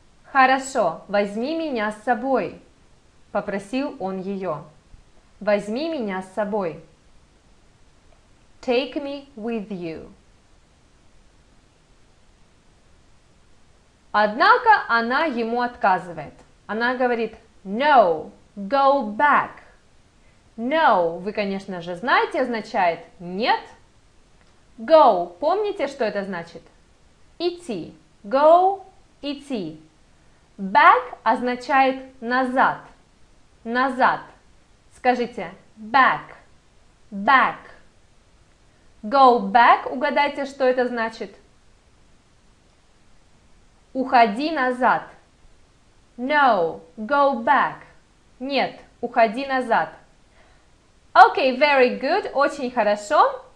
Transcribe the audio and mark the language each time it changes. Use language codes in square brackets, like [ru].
[ru] Хорошо, возьми меня с собой, попросил он ее. Возьми меня с собой. [en] Take me with you. [ru] Однако она ему отказывает. Она говорит [en] «No, go back». [ru] «No», вы, конечно же, знаете, означает «нет». «Go», помните, что это значит? «Идти». «Go», «идти». «Back» означает «назад». «Назад». Скажите «back», «back». «Go back», угадайте, что это значит? Уходи назад. [en] No, go back. [ru] Нет, уходи назад. [en] Okay, very good. [ru] Очень хорошо.